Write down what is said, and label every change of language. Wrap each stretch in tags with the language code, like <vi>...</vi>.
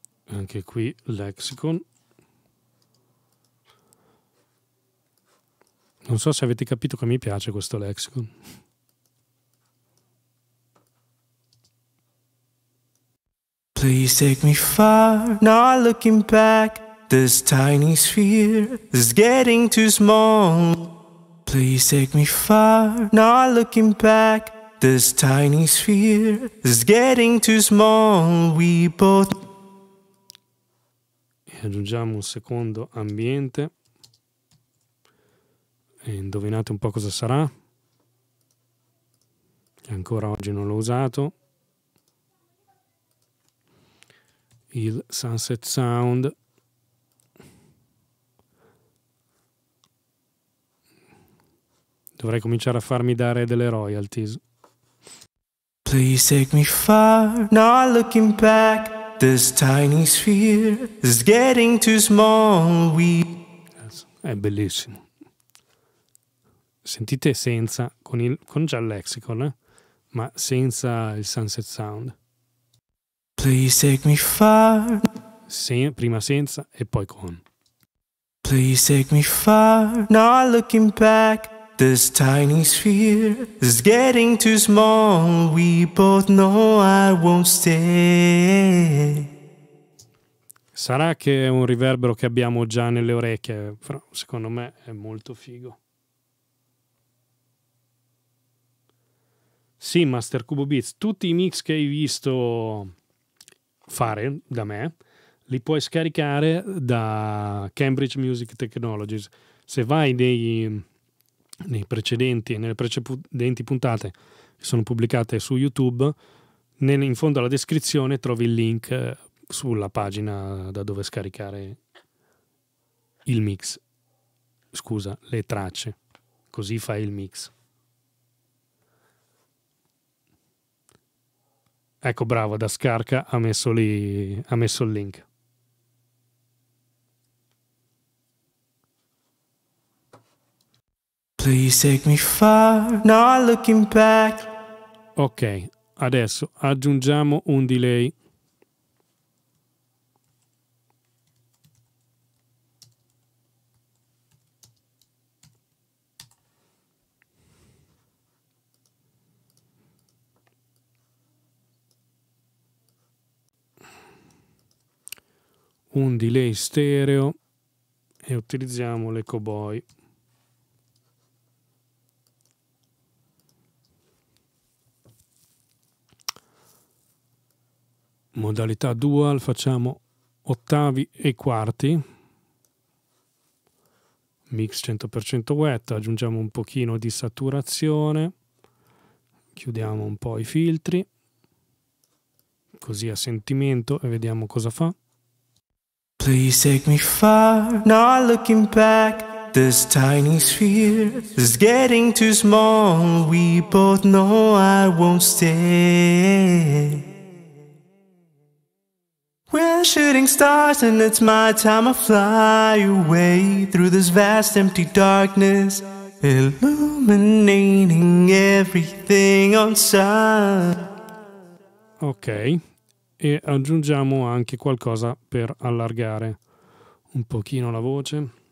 <it>Anche qui lexicon. Non so se avete capito che mi piace questo lexicon.</it> <en>Please take me far, not looking back. This tiny sphere is getting too small. Please take me far, not looking back. This tiny sphere is getting too small. We both.</en> <it>E aggiungiamo un secondo ambiente. E indovinate un po' cosa sarà. E ancora oggi non l'ho usato. Il Sunset Sound. Dovrei cominciare a farmi dare delle royalties.</it> <en>Please take me far, not looking back. This tiny sphere is getting too small. We.</en> <it>È bellissimo. Sentite senza, con già il lexicon, ma senza il Sunset Sound.</it> <en>Please take me far.</en> <it>Prima senza e poi con.</it> <en>Please take me far, not looking back. This tiny sphere is getting too small. We both know I won't stay.</en> <it>Sarà che è un riverbero che abbiamo già nelle orecchie, però secondo me è molto figo. Sì, Master Cubo Beats, tutti i mix che hai visto fare da me li puoi scaricare da Cambridge Music Technologies. Se vai nei precedenti e nelle precedenti puntate che sono pubblicate su YouTube, in fondo alla descrizione trovi il link sulla pagina da dove scaricare il mix. Scusa, le tracce. Così fai il mix. Ecco, bravo, da scarica ha messo il link.</it> <en>Please take me far, not looking back.</en> <it>Ok, adesso aggiungiamo un delay. Un delay stereo e utilizziamo l'Echo Boy. Modalità dual, facciamo ottavi e quarti. Mix 100% wet, aggiungiamo un pochino di saturazione. Chiudiamo un po' i filtri. Così a sentimento e vediamo cosa fa.</it> <en>Please take me far, not looking back. This tiny sphere is getting too small. We both know I won't stay. We're shooting stars and it's my time to fly away through this vast empty darkness, illuminating everything on sight. Ok.</en> <it>E aggiungiamo anche qualcosa per allargare un pochino la voce.</it>